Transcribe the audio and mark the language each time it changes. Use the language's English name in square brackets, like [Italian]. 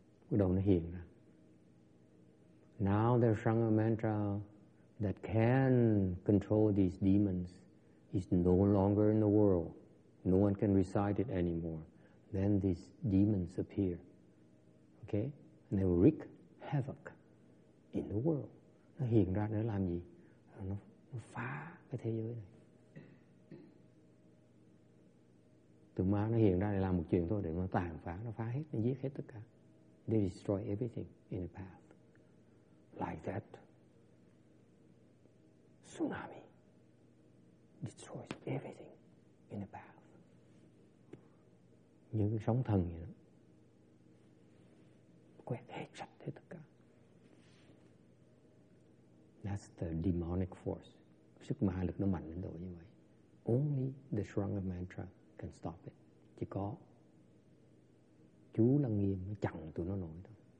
[Vietnamese] Bắt đầu nó hiện ra. [English] Now the Sarangama mantra that can control these demons is no longer in the world. No one can recite it anymore. Then these demons appear. Okay, and they will wreak havoc in the world. [Vietnamese] Nó hiện ra nó làm gì? Nó phá cái thế giới này. Tụi ma nó hiện ra để làm một chuyện thôi, để nó tàn phá, nó phá hết, nó giết hết tất cả. [English] They destroy everything in the path. Like that, tsunami destroys everything in the path. [Vietnamese] như cái sóng thần vậy đó, quét hết sạch hết tất cả. [English] That's the demonic force. [Vietnamese] Sức ma lực nó mạnh đến độ như vậy. [English] Only the stronger mantra can stop it. [Vietnamese] Chỉ có chú Lăng Nghiêm mới chặn tụi nó nổi thôi.